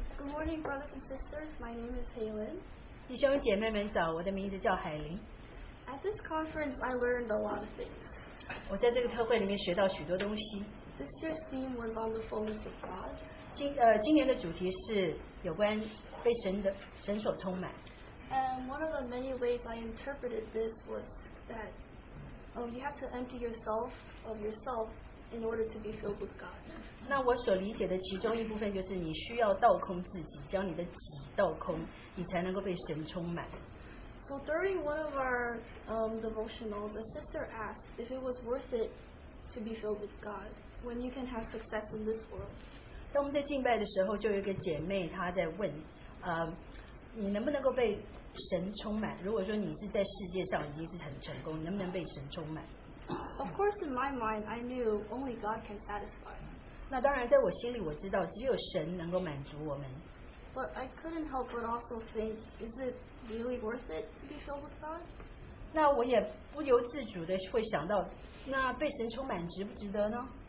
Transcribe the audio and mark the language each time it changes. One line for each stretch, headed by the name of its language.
English: morning, brothers and sisters. My name is Haylin.
Chinese: 弟兄姐妹们早，我的名字叫海琳。
English: At this conference, I learned a lot of things.
Chinese: 我在这个特会里面学到许多东西。
English: This year's theme was on the fullness of God.
Chinese: 今年的主题是有关被神的神所充满。
English: And one of the many ways I interpreted this was that, you have to empty yourself of yourself. In order to be filled with God.
Chinese: 那我所理解的其中一部分就是你需要倒空自己，将你的己倒空，你才能够被神充满。
English: So during one of our devotionals, a sister asked if it was worth it to be filled with God when you can have success in this world.
Chinese: 当我们在敬拜的时候，就有一个姐妹她在问，你能不能够被神充满？如果说你是在世界上已经是很成功，你能不能被神充满？
English: Of course, in my mind, I knew only God can satisfy.
Chinese: 那当然，在我心里我知道，只有神能够满足我们。
English: But I couldn't help but also think, is it really worth it to be filled with God?
Chinese: 那我也不由自主的会想到，那被神充满值不值得呢？